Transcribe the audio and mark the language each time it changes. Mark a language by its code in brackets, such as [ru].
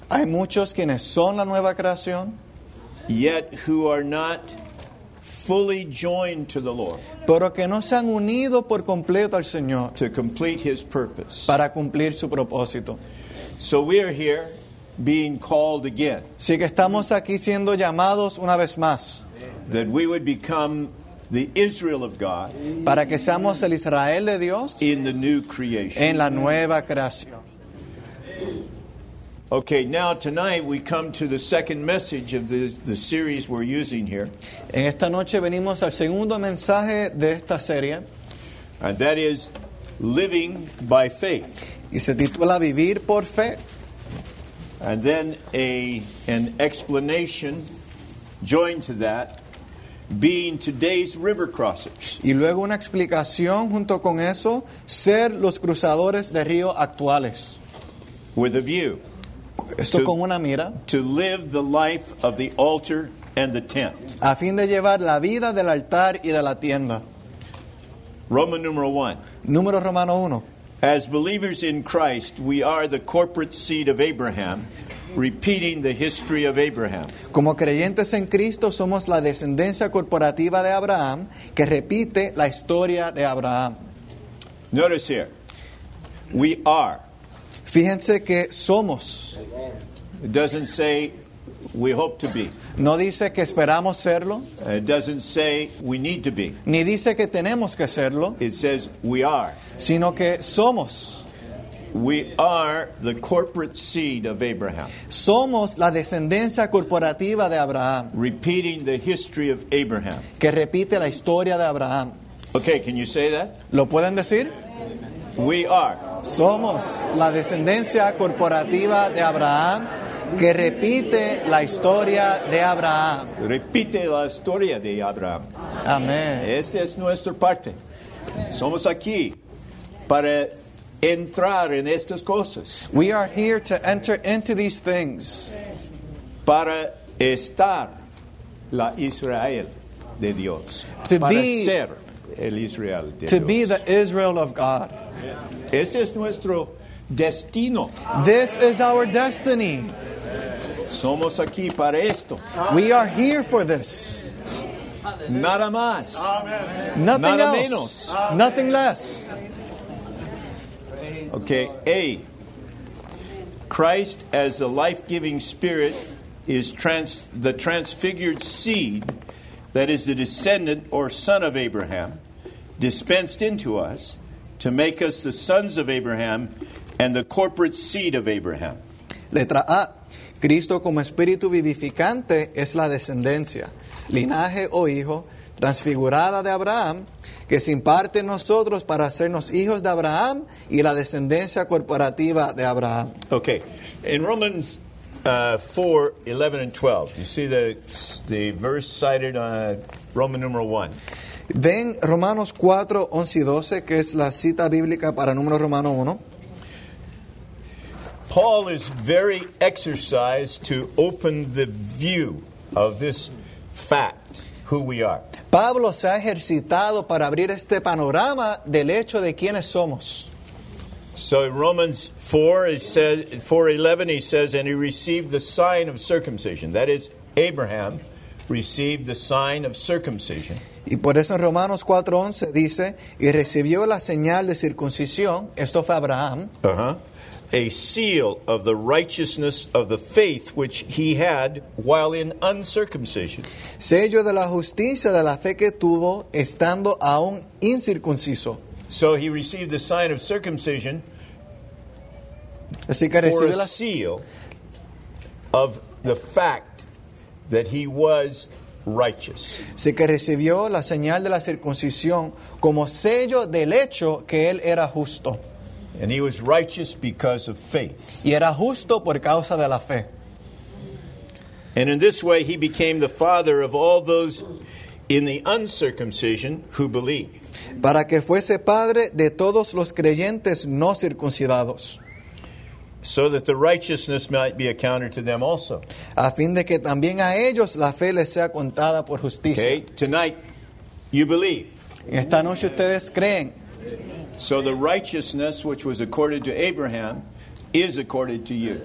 [es] Hay muchos quienes son la nueva creación. [en] Yet who are not fully joined to the Lord. [es] Pero que no se han unido por completo al Señor. [en] To complete his purpose. [es] Para cumplir su propósito. [en] So we are here being called again. [es] Así que estamos aquí siendo llamados una vez más. [en] That we would become the Israel of God. [es] Para que seamos el Israel de Dios. [en] In the new creation. [es] En la nueva creación. [en] Okay, now tonight we come to the second message of the series we're using here. [es] En esta noche venimos al segundo mensaje de esta serie. [en] And that is living by faith. [es] Y se titula Vivir por Fe. [en] And then an explanation joined to that. Being today's river crossers. [es] Y luego una explicación junto con eso, ser los cruzadores de río actuales. [en] With a view. [es] Esto con una mira. [en] To live the life of the altar and the tent. [es] A fin de llevar la vida del altar y de la tienda. [en] Roman numeral 1. [es] Número romano 1. [en] As believers in Christ, we are the corporate seed of Abraham. Repeating the history of Abraham. [es] Como creyentes en Cristo, somos la descendencia corporativa de Abraham, que repite la historia de Abraham. [en] Notice here. We are. [es] Fíjense que somos. [en] It doesn't say we hope to be. [es] No dice que esperamos serlo. [en] It doesn't say we need to be. [es] Ni dice que tenemos que serlo. [en] It says we are. [es] Sino que somos. [en] We are the corporate seed of Abraham. [es] Somos la descendencia corporativa de Abraham. [en] Repeating the history of Abraham. [es] Que repite la historia de Abraham. [en] Okay, can you say that? [es] ¿Lo pueden decir? [en] We are. [es] Somos la descendencia corporativa de Abraham que repite la historia de Abraham. Repite la historia de Abraham. Amén. Esta es nuestra parte. Somos aquí para entrar en estas cosas. [en] We are here to enter into these things. [es] Para estar la Israel de Dios. [en] To [es] para [en] be, [es] ser el Israel de [en] to To be the Israel of God. [es] Este es nuestro destino. [en] This is our destiny. [es] Somos aquí para esto. [en] We are here for this. [es] Nada más. [en] Amen. Nothing [es] Nada [en] else. [es] Menos. [en] Nothing less. Okay, A. Christ as the life-giving spirit is the transfigured seed that is the descendant or son of Abraham dispensed into us to make us the sons of Abraham and the corporate seed of Abraham. [es] Letra A. Cristo como espíritu vivificante es la descendencia, linaje o hijo, transfigurada de Abraham, que se imparte en nosotros para hacernos hijos de Abraham y la descendencia corporativa de Abraham. [en] Okay. In Romans 4:11-12, you see the verse cited on Roman numeral 1. [es] Ven Romanos 4, 11 y 12, que es la cita bíblica para Números Romano 1. [en] Paul is very exercised to open the view of this fact, who we are. [es] Pablo se ha ejercitado para abrir este panorama del hecho de quiénes somos. [en] So in Romans 4:11, he says, and he received the sign of circumcision. That is, Abraham received the sign of circumcision. [es] Y por eso en Romanos 4:11 dice, y recibió la señal de circuncisión. Esto fue Abraham. [en] A seal of the righteousness of the faith which he had while in uncircumcision. [es] Sello de la justicia de la fe que tuvo estando aún incircunciso. [en] So he received the sign of circumcision. [es] Así que recibió [en] la seal of the fact that he was righteous. [es] Así que recibió la señal de la circuncisión como sello del hecho que él era justo. [en] And he was righteous because of faith. [es] Y era justo por causa de la fe. [en] And in this way he became the father of all those in the uncircumcision who believe. [es] Para que fuese padre de todos los creyentes no circuncidados. [en] So that the righteousness might be accounted to them also. [es] A fin de que también a ellos la fe les sea contada por justicia. [en] Okay, tonight you believe. [es] Esta noche ustedes creen. [en] So the righteousness which was accorded to Abraham is accorded to you.